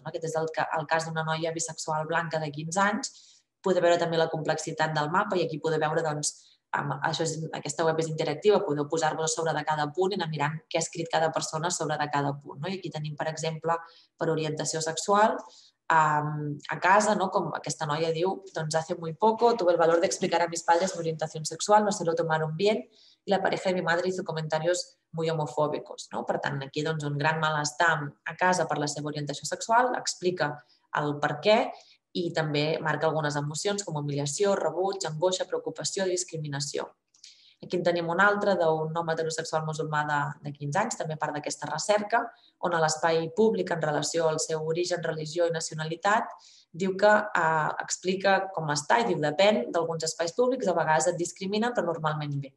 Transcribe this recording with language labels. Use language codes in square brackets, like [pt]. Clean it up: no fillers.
[ca] No? Aquest és el cas d'una noia bisexual blanca de 15 anys. Podeu veure també la complexitat del mapa i aquí podeu veure doncs, aquesta web és interactiva, podeu posar-vos a sobre de cada punt i anar mirant què ha escrit cada persona sobre de cada punt. No? I aquí tenim, per exemple, per orientació sexual, a casa, no? Com aquesta noia diu, doncs [es] hace muy poco tuve el valor de explicar a mis padres mi orientación sexual, no se lo tomaron bien, y la pareja de mi madre hizo comentarios muy homofóbicos. No? [ca] Per tant, aquí doncs, un gran malestar a casa per la seva orientació sexual, explica el per què i també marca algunes emocions com humiliació, rebuig, angoixa, preocupació, discriminació. Aquí en tenim un altre d'un home heterosexual musulmà de 15 anys, també part d'aquesta recerca, on a l'espai públic en relació al seu origen, religió i nacionalitat, diu que explica com està i diu depèn d'alguns espais públics, a vegades et discrimina, però normalment bé.